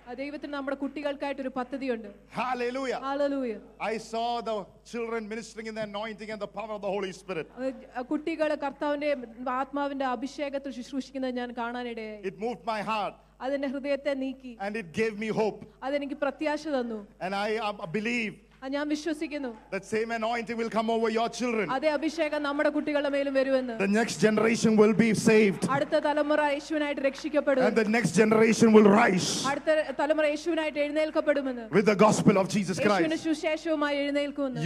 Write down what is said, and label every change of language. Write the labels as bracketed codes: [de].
[ml] ദൈവത്തിന് നമ്മുടെ കുട്ടികൾക്കായിട്ട് ഒരു പദ്ധതിയുണ്ട്. [en] Hallelujah. Hallelujah. I saw the children ministering in the anointing and the power of the Holy Spirit. [ml] കുട്ടികളെ കർത്താവിന്റെ ആത്മാവിന്റെ അഭിഷേകത്തിൽ ശുശ്രൂഷിക്കുന്നത് ഞാൻ കാണാനിടയായി. [en] It moved my heart. [ml] അതെന്റെ ഹൃദയത്തെ നീക്കി. [en] And it gave me hope. [ml] അതെനിക്ക് പ്രത്യാശ തന്നു. [en] And I believe [ml] ഞാൻ വിശ്വസിക്കുന്നു. [en] The same anointing will come over your children. [ml] അതേ അഭിഷേകം നമ്മുടെ കുട്ടികളുടെ മേലും വരുമെന്ന്. [en] The next generation will be saved. [ml] അടുത്ത തലമുറ യേശുവിനായിട്ട് രക്ഷിക്കപ്പെടും. [en] And the next generation will rise. [ml] അടുത്ത തലമുറ യേശുവിനായിട്ട് എഴുന്നേൽക്കപ്പെടുമെന്ന്. [en] With the gospel of Jesus Christ. [ml] യേശുവിന്റെ സുവിശേഷവുമായി എഴുന്നേൽക്കുന്നു.